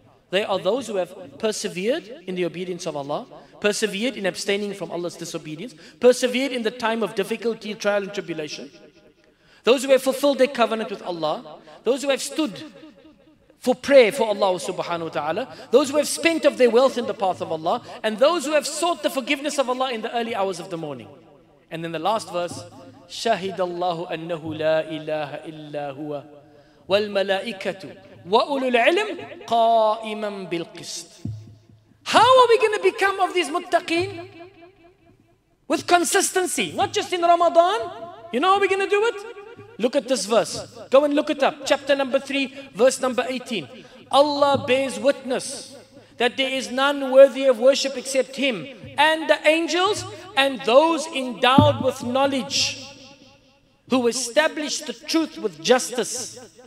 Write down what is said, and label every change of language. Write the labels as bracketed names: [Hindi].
[English] They are those who have persevered in the obedience of Allah, persevered in abstaining from Allah's disobedience, persevered in the time of difficulty, trial and tribulation. Those who have fulfilled their covenant with Allah, those who have stood for prayer for Allah subhanahu wa ta'ala, those who have spent of their wealth in the path of Allah, and those who have sought the forgiveness of Allah in the early hours of the morning. And then the last verse, [Arabic] شهد الله أنه لا إله إلا هو والملائكة وأولو العلم قائما بالقسط. [English] How are we going to become of these muttaqeen? With consistency, not just in Ramadan. You know how we're going to do it? Look at this verse. Go and look it up. Chapter number 3, verse number 18. Allah bears witness that there is none worthy of worship except Him and the angels and those endowed with knowledge, who established the truth with justice.